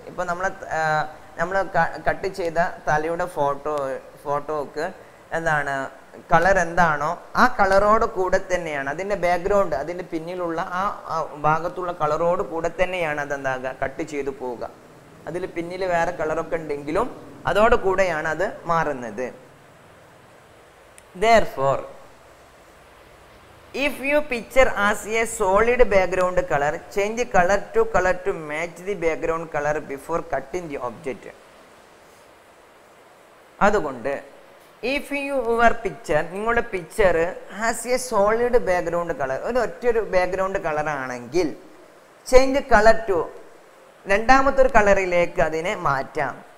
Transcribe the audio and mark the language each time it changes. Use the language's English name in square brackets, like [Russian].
[Malayalam] ഇപ്പോൾ നമ്മൾ കട്ട് ചെയ്ത തലയുടെ ഫോട്ടോക്ക് എന്താണ് കളർ എന്താണോ ആ കളറോട് കൂടെ തന്നെയാണ് അതിൻ്റെ ബാക്ക്ഗ്രൗണ്ട് അതിൻ്റെ പിന്നിലുള്ള ആ ഭാഗത്തുള്ള കളറോട് കൂടെ തന്നെയാണ് അത് എന്താകുക കട്ട് ചെയ്തു പോവുക. അതിൽ പിന്നിൽ വേറെ കളറൊക്കെ ഉണ്ടെങ്കിലും അതോടുകൂടെയാണ് അത് മാറുന്നത്. [English] Therefore, if your picture has a solid background color, change the color to match the background color before cutting the object. [Malayalam] അതുകൊണ്ട് [English] if your picture, [Malayalam] നിങ്ങളുടെ picture [English] has a solid background color, [Malayalam] ഒരു ഒറ്റൊരു ബാക്ക്ഗ്രൗണ്ട് കളർ ആണെങ്കിൽ [English] change the color to [Malayalam] രണ്ടാമത്തെ ഒരു കളറിലേക്ക് അതിനെ മാറ്റാം.